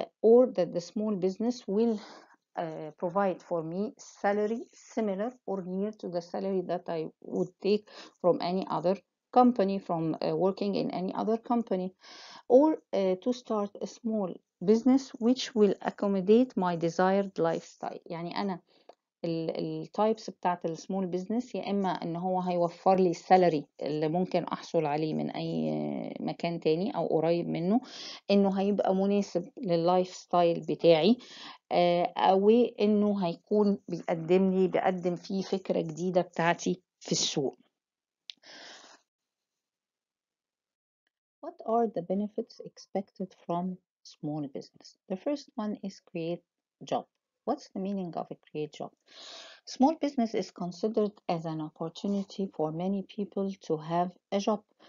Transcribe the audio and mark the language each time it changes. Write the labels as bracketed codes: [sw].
[en] Or that the small business will provide for me salary similar or near to the salary that I would take from any other company, from working in any other company, or to start a small business which will accommodate my desired lifestyle. [ar] يعني أنا التايبس بتاعت السمول بزنس، يا إما إن هو هيوفر لي السالري اللي ممكن أحصل عليه من أي مكان تاني أو قريب منه، إنه هيبقى مناسب لللايف ستايل بتاعي، أو إنه هيكون بيقدم فيه فكرة جديدة بتاعتي في السوق. [en] What are the benefits expected from small business? The first one is create job. What's the meaning of a create job? Small business is considered as an opportunity for many people to have a job.